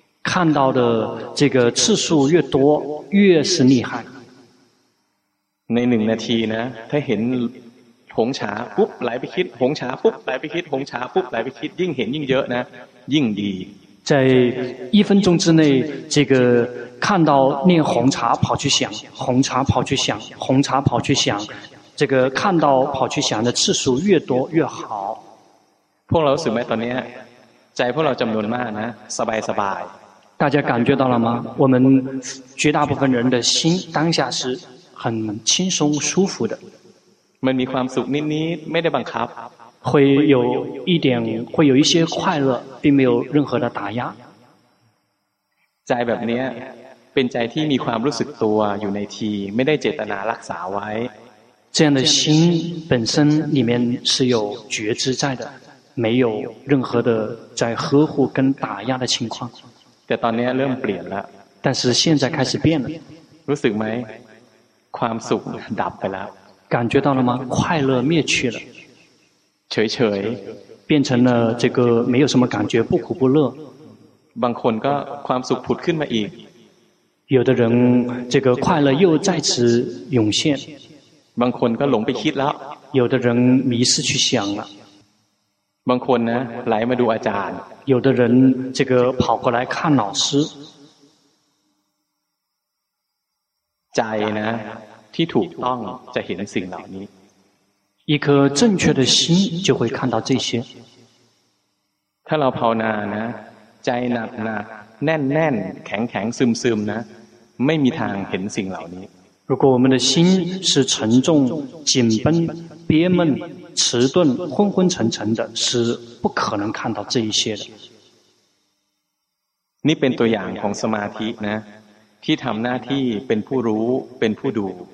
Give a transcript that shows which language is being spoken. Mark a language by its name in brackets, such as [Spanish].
[Chinese] 看到的这个次数越多越是厉害 [Thai] ใน1นาทีนะถ้าเห็นหงชาปุ๊บไหลไปคิดหงชาปุ๊บไหลไปคิดหงชาปุ๊บไหลไปคิดยิ่งเห็นยิ่งเยอะนะยิ่งดี [Chinese] 在一分钟之内这个看到念红茶跑去想红茶跑去想红茶跑去想这个看到跑去想的次数越多越好 [Thai] พวกเราสึกไหมตอนนี้ใจพวกเราจำนวนมากนะสบายสบาย [Chinese] 大家感觉到了吗我们绝大部分人的心当下是很轻松舒服的 [Thai] มันมีความสุขนิดๆไม่ได้บังคับ [Chinese] 会有一点会有一些快乐并没有任何的打压 [Thai] ใจแบบนี้เป็นใจที่มีความรู้สึกตัวอยู่ในทีไม่ได้เจตนารักษาไว้ [Chinese] 这样的心本身里面是有觉知在的没有任何的在呵护跟打压的情况 [Thai] แต่ตอนนี้เริ่มเปลี่ยนแล้ว [Chinese] 但是现在开始变了 [Thai] รู้สึกไหมความสุขดับไปแล้ว [Chinese] 感觉到了吗快乐灭去了 [Thai] เฉยเฉย [Chinese] 变成了这个没有什么感觉不苦不乐 [Thai] บางคนก็ความสุขผุดขึ้นมาอีก [Chinese] 有的人这个快乐又再次涌现 [Thai] บางคนก็หลงไปคิดแล้ว [Chinese] 有的人迷失去想了 [Thai] บางคนนะไหลมาดูอาจารย์ [Chinese] 有的人这个跑过来看老师 [Thai] ใจนะที่ถูกต้องจะเห็นสิ่งเหล่านี้ [Chinese] 一颗正确的心就会看到这些 [Thai] ถ้าเราภาวนานะใจหนักหนักแน่นแน่นแข็งแข็งซึมซึมนะไม่มีทางเห็นสิ่งเหล่านี้ [Chinese] 如果我们的心是沉重紧绷憋闷迟钝昏昏沉沉的是不可能看到这一些的 [Thai] นี่เป็นตัวอย่างของสมาธินะที่ทำหน้าที่เป็นผู้รู้เป็นผู้ดู